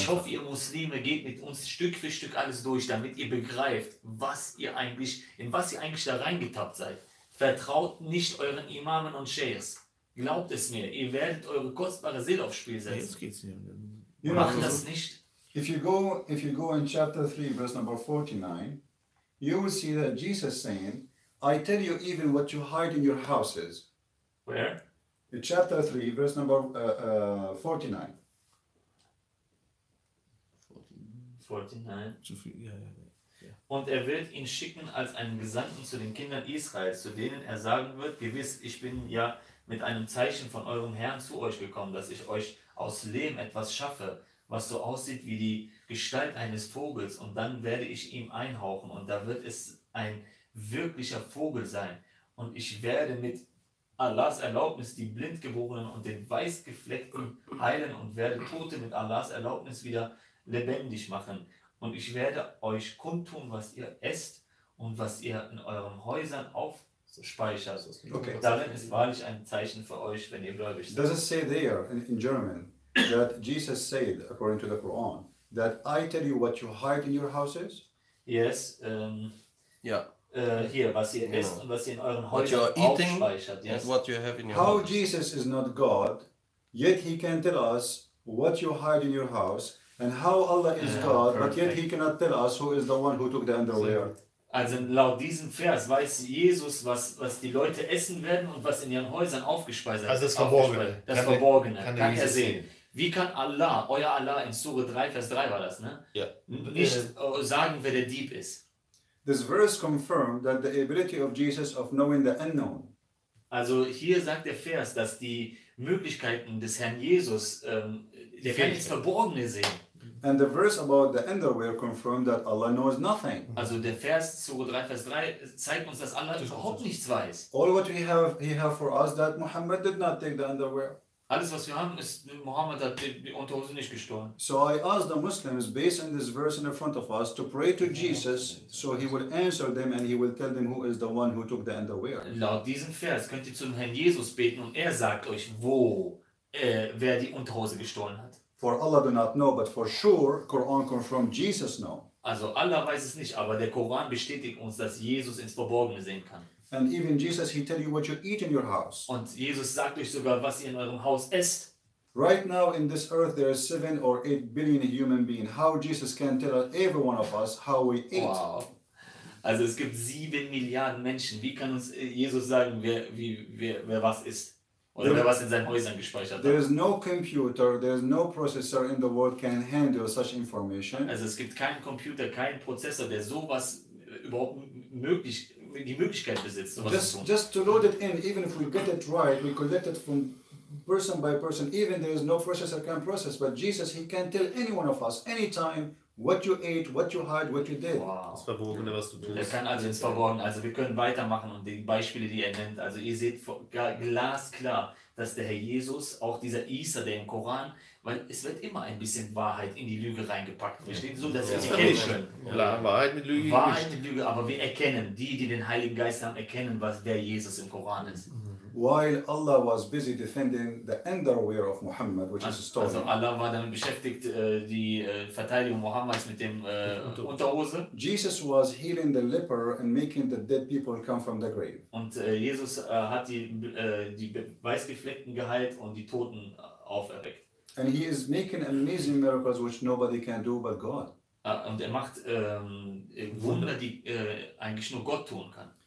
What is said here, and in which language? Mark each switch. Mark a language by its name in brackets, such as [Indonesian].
[German] Ich hoffe, ihr Muslime geht mit uns Stück für Stück alles durch, damit ihr begreift, in was ihr eigentlich da reingetappt seid. Vertraut nicht euren Imamen und Sheikhs. Glaubt es mir, ihr werdet eure kostbare Seele aufs Spiel setzen. Jetzt geht's mir. Macht das nicht. [English] If you go in chapter 3, verse number 49, you will see that Jesus saying, I tell you even what you hide in your houses. Where? In chapter 3, verse number 49. [German] Und er wird ihn schicken als einen Gesandten zu den Kindern Israels, zu denen er sagen wird, gewiss, ich bin ja mit einem Zeichen von eurem Herrn zu euch gekommen, dass ich euch aus Lehm etwas schaffe, was so aussieht wie die Gestalt eines Vogels, und dann werde ich ihm einhauchen, und da wird es ein wirklicher Vogel sein, und ich werde mit Allahs Erlaubnis die Blindgeborenen und den Weißgefleckten heilen und werde Tote mit Allahs Erlaubnis wieder lebendig machen. Und ich werde euch kundtun, was ihr esst und was ihr in euren Häusern aufspeichert. Okay. Darin ist wahrlich ein Zeichen für euch, wenn ihr gläubig seid. [English] Does it say there in German that Jesus said, according to the Quran, that I tell you what you hide in your houses? Yes. Yeah. How Jesus is not God, yet he can tell us what you hide in your house, and how Allah is God, perfect. But yet he cannot tell us who is the one who took the underwear. [German] Also laut diesem Vers weiß Jesus, was die Leute essen werden und was in ihren Häusern aufgespeist wird. Also das Verborgene. Kann er sehen. Wie kann Allah, euer Allah, in Sure 3, Vers 3 war das, ne? Ja. Nicht sagen, wer der Dieb ist. [English] This verse confirmed that the ability of Jesus of knowing the unknown. [German] Also hier sagt der Vers, dass die Möglichkeiten des Herrn Jesus, der kann nichts Verborgene sehen. [English] And the verse about the underwear confirmed that Allah knows nothing. [German] Also der Vers zu 3 Vers 3 zeigt uns, dass Allah überhaupt nichts weiß. [English] All what he have for us that Muhammad did not take the underwear. [German] Alles was wir haben ist, Muhammad hat die Unterhose nicht gestohlen. [English] So I ask the Muslims, based on this verse in front of us, to pray to Jesus, so he will answer them and he will tell them who is the one who took the underwear. [German] Laut diesem Vers könnt ihr zum Herrn Jesus beten und er sagt euch, wer die Unterhose gestohlen hat. [English] For Allah do not know, but for sure, Quran confirmed Jesus know. [German] Also Allah weiß es nicht, aber der Koran bestätigt uns, dass Jesus ins Verborgene sehen kann. [English] And even Jesus, he tell you what you eat in your house. [German] Und Jesus sagt euch sogar, was ihr in eurem Haus esst. [English] Right now in this earth there are 7 or 8 billion human beings. How Jesus can tell every one of us how we eat? [German] Wow. Also es gibt 7 Milliarden Menschen. Wie kann uns Jesus sagen, wer was isst? Oder wer was in seinen Häusern gespeichert hat? [English] There is no computer, there is no processor in the world can handle such information. [German] Also es gibt keinen Computer, keinen Prozessor, der sowas überhaupt möglich ist. Die Möglichkeit besitzt, sowas [English] just, [German] zu tun. [English] Just to load it in, even if we get it right, we collect it from person by person, even there is no processor can process, but Jesus, he can tell any one of us, anytime, what you ate, what you hide, what you did. Wow. [German] Das Verborgene, was du tust. Er kann also ins Verborgene, also wir können weitermachen und die Beispiele, die er nennt, also ihr seht glasklar, dass der Herr Jesus, auch dieser Isa, der im Koran, weil es wird immer ein bisschen Wahrheit in die Lüge reingepackt. Verstehen Sie, dass wir die kennen können? Klar, Wahrheit mit Lüge. Wahrheit mit Lüge, aber wir erkennen, die den Heiligen Geist haben, erkennen, was der Jesus im Koran ist. [English] While Allah was busy defending the underwear of Muhammad, which is stolen. [German] Also Allah war dann beschäftigt, die Verteidigung Muhammads mit dem Unterhose. [English] Jesus was healing the leper and making the dead people come from the grave. [German] Und Jesus hat die Weißgefleckten geheilt und die Toten auferweckt. [English] And he is making amazing miracles which nobody can do but God. [German] Und er macht Wunder, die eigentlich nur Gott tun kann.